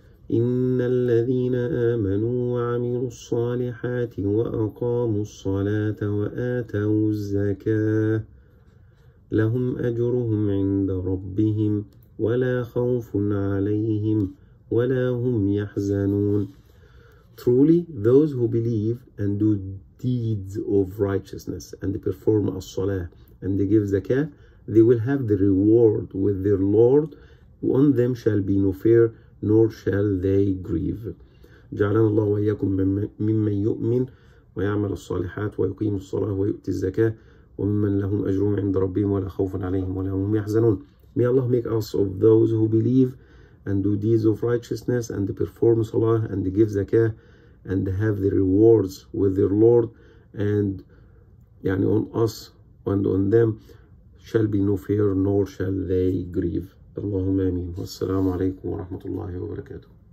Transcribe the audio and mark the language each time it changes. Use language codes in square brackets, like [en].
[ar] إن الذين آمنوا وعملوا الصالحات وأقاموا الصلاة وآتوا الزكاة لهم أجرهم عند ربهم ولا خوف عليهم ولا هم يحزنون. [en] Truly, those who believe and do deeds of righteousness and perform as-salah and they give zakah, they will have the reward with their Lord. On them shall be no fear, nor shall they grieve. [ar] جعلنا الله وإياكم ممن يؤمن ويعمل الصالحات ويقيم الصلاة ويؤتي الزكاة وممن لهم أجرهم عند ربهم ولا خوف عليهم ولا هم يحزنون. [en] May Allah make us of those who believe and do deeds of righteousness and perform salah and give zakah and have the rewards with their Lord and يعني on us and on them shall be no fear nor shall they grieve. [ar] اللهم آمين. والسلام عليكم ورحمة الله وبركاته.